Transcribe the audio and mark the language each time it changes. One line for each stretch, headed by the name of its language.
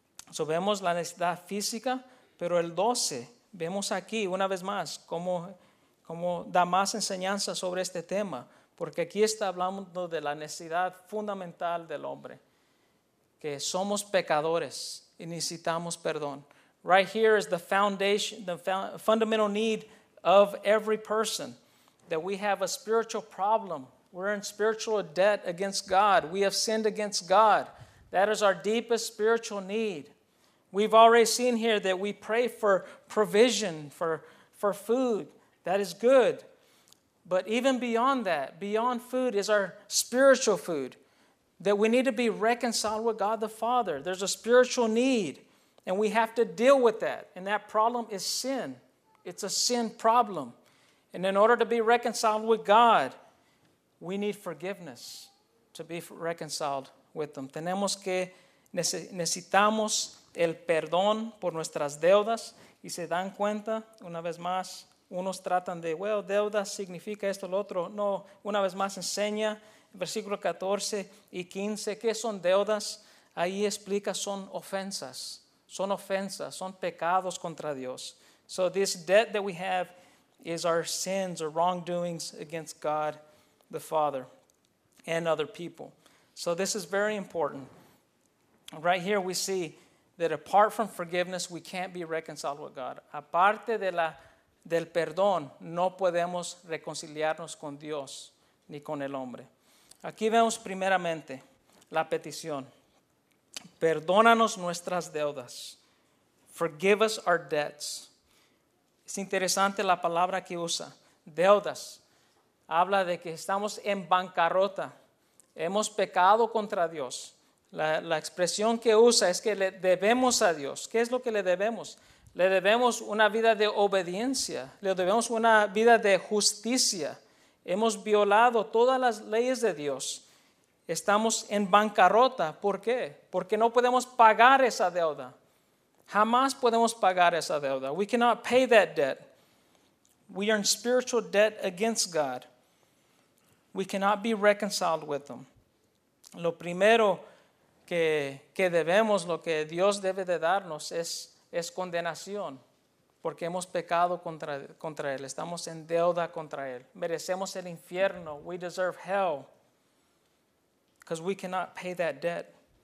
Spanish: So, vemos la necesidad física, pero el 12, vemos aquí una vez más cómo da más enseñanza sobre este tema, porque aquí está hablando de la necesidad fundamental del hombre, que somos pecadores y necesitamos perdón.
English: Right here is the foundation, the fundamental need of every person, that we have a spiritual problem. We're in spiritual debt against God. We have sinned against God. That is our deepest spiritual need. We've already seen here that we pray for provision, for food. That is good. But even beyond that, beyond food is our spiritual food, that we need to be reconciled with God the Father. There's a spiritual need, and we have to deal with that. And that problem is sin. It's a sin problem. And in order to be reconciled with God, we need forgiveness to be reconciled with them.
Spanish: Necesitamos el perdón por nuestras deudas. Y se dan cuenta, una vez más, unos tratan de,
English: well,
Spanish: deuda significa esto, lo otro. No, una vez más enseña, versículo 14 y 15, ¿qué son deudas? Ahí explica, son ofensas, son pecados contra Dios.
English: So this debt that we have is our sins or wrongdoings against God the Father and other people. So this is very important. Right here we see that apart from forgiveness, we can't be reconciled with God.
Spanish: Aparte del perdón, no podemos reconciliarnos con Dios ni con el hombre. Aquí vemos primeramente la petición. Perdónanos nuestras deudas.
English: Forgive us our debts.
Spanish: Es interesante la palabra que usa. Deudas. Habla de que estamos en bancarrota. Hemos pecado contra Dios. La expresión que usa es que le debemos a Dios. ¿Qué es lo que le debemos? Le debemos una vida de obediencia. Le debemos una vida de justicia. Hemos violado todas las leyes de Dios. Estamos en bancarrota. ¿Por qué? Porque no podemos pagar esa deuda. Jamás podemos pagar esa deuda.
English: We cannot pay that debt. We are in spiritual debt against God. We cannot be reconciled with them.
Spanish: Lo primero que debemos, lo que Dios debe de darnos es condenación, porque hemos pecado contra Él, estamos en deuda contra Él, merecemos el infierno,
English: we deserve hell, because we cannot pay that debt.